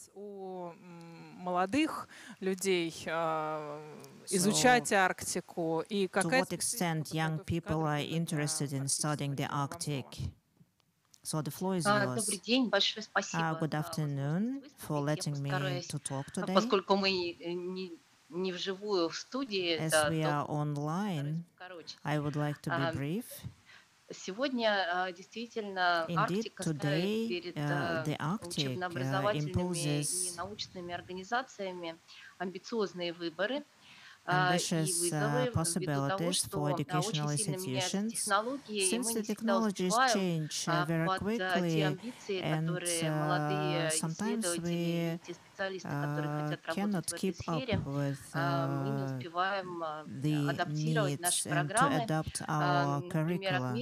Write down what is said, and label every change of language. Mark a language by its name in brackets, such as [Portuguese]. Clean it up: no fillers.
[Russian] Молодых людей изучать Арктику и какая. [English] To what extent young people are interested in studying the Arctic? So the floor is yours. [Russian] Добрый день, большое спасибо. [English] Good afternoon for letting me to talk today. [Russian] Поскольку мы не вживую в студии, [English] as we are online, I would like to be brief. [Russian] Сегодня действительно Арктика ставит перед учебно-образовательными и научными организациями амбициозные выборы. [English] Ambitious possibilities for educational institutions, since the technologies change very quickly, and sometimes we cannot keep up with the needs and to adapt our curricula.